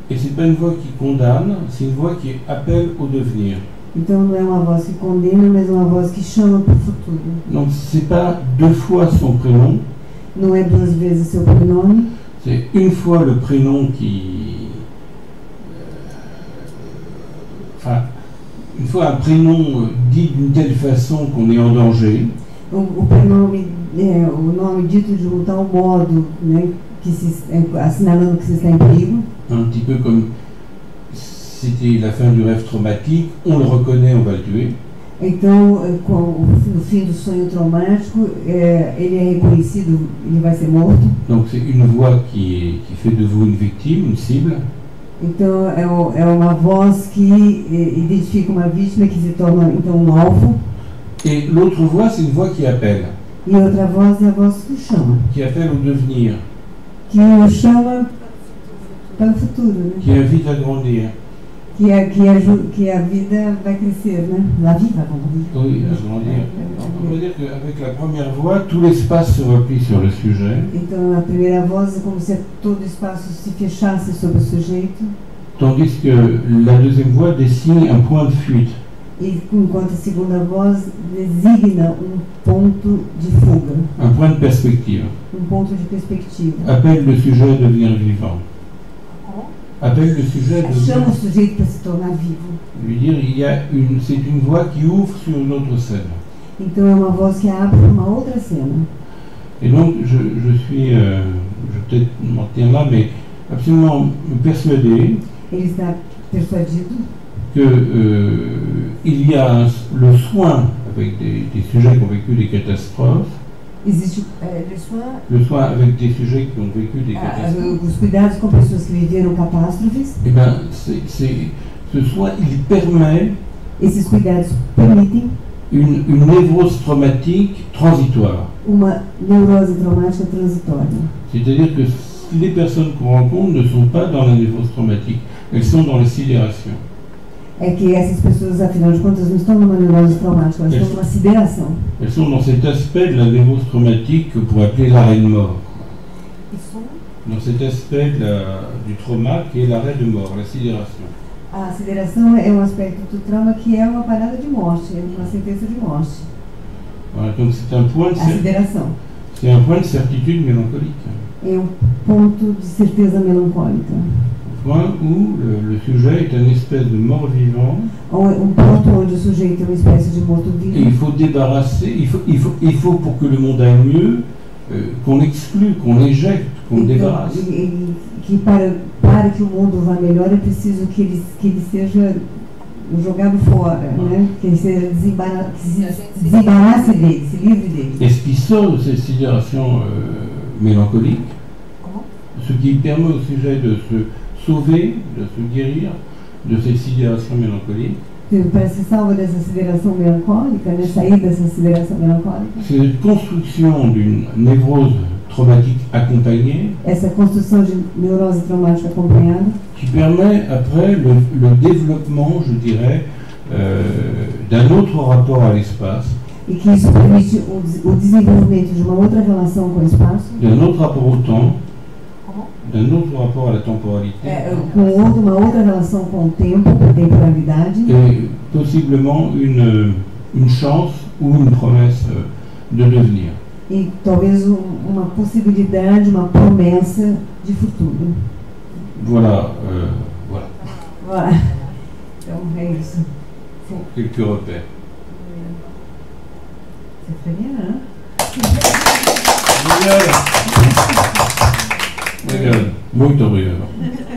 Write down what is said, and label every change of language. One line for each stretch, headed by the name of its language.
French: Et c'est pas une voix qui condamne, c'est une voix qui appelle au devenir.
Portuguese: Então não é uma voz que condena, mas uma voz que chama para o futuro.
French: Non, c'est pas deux fois son prénom.
Portuguese: Não é duas vezes seu prénom.
French: C'est une fois le prénom qui... Enfin, une fois un prénom dit d'une telle façon qu'on est en danger.
Portuguese: O prénom, o nome dito de um tal modo, né, que se, assinalando que se está em perigo.
French: Un petit peu comme c'était la fin du rêve traumatique, on le reconnaît, on va le tuer.
Portuguese: Então, com o fim do sonho traumático, ele é reconhecido, ele vai ser morto.
French: Donc c'est une voix qui fait de vous une victime, une cible.
Portuguese: Então é uma voz que identifica uma vítima que se torna então um alvo.
French: Et l'autre voix, c'est une voix qui appelle.
Portuguese: E outra voz é a voz que chama.
French: Qui appelle au devenir.
Portuguese: Que o chama para o futuro, né?
French: Qui invite à grandir.
Portuguese: Que a vida vai crescer, né?
French: La vie va grandir. Oui, à grandir. On peut dire qu'avec la première voix, tout l'espace se replie sur le sujet.
Portuguese: Então, a primeira voz é como se todo espaço se fechasse sobre o sujeito.
French: Tandis que la deuxième voix dessine un point de fuite.
Portuguese: Enquanto a segunda voz designa ponto de fuga.
French: Un point de perspective.
Portuguese: Ponto de perspectiva.
French: Appelle le sujet à devenir vivant. Appelle le sujet de...
Portuguese: Chama o sujeito para se tornar vivo.
French: Lui dire, il y a une, c'est une voix qui ouvre sur une autre scène.
Portuguese: Então é uma voz que abre uma outra cena.
French: Et donc, je suis, je peut-être m'en tiens là, mais absolument persuadé.
Portuguese: Ele está persuadido.
French: Que il y a le soin avec des sujets qui ont vécu des catastrophes.
Portuguese: Existe
French: le soin avec des sujets qui ont vécu des catastrophes.
Portuguese: Os cuidados com pessoas que viveram catástrofes.
French: Et bien, ce soin, il permet.
Portuguese: Esses cuidados permitem.
French: Une névrose traumatique transitoire.
Portuguese: Uma neurose traumática transitória.
French: C'est-à-dire que les personnes qu'on rencontre ne sont pas dans la névrose traumatique, elles sont dans la sidération.
Portuguese: É que essas pessoas, afinal de contas, não estão numa neurose traumática, elas estão numa sideração.
French: Elles sont dans cet aspect de la névrose traumatique que pourrait appeler l'arrêt de mort. Ils sont dans cet aspect de du trauma qui est l'arrêt de mort, la sidération.
Portuguese: A sideração é um aspecto do trauma que é uma parada de morte, é uma sentença de morte.
French: Voilà, donc c'est un point de
Portuguese: sideração.
French: C'est un point de certitude mélancolique.
Portuguese: É ponto de certeza melancólica.
French: Point où le sujet est une espèce de mort-vivant. Un point où le sujet est une espèce de mort-vivant. Et il faut débarrasser, il faut pour que le monde aille mieux, qu'on exclue, qu'on éjecte, qu'on débarrasse.
Portuguese: Que para que o mundo vá melhor é preciso que ele seja jogado fora, ah, né? Que ele seja desembaraça dele, se livre dele.
French: Et ce qui sort de cette situation mélancolique, ce qui permet au sujet de se sauver, de se guérir de cette sidération mélancolique.
Portuguese: Para se salvar dessa sideração melancólica, né? Sair dessa sideração melancólica.
French: C'est une construction d'une névrose traumatique accompagnée.
Portuguese: Essa construção de neurose traumática acompanhada.
French: Qui permet après le développement, je dirais, d'un autre rapport à l'espace.
Portuguese: E que isso permite o desenvolvimento de uma outra relação com o espaço.
French: D'un autre rapport au temps. D'un autre rapport à la temporalité.
Portuguese: Uma outra relação com o tempo, com a temporalidade.
French: Et possiblement une chance ou une promesse de devenir.
Portuguese: E talvez uma possibilidade, uma promessa de futuro.
French: Voilà. Voilà.
Portuguese: Voilà. Então é isso.
French: Quelques repères. C'est très bien, hein? Génial!
Portuguese: Muito obrigado.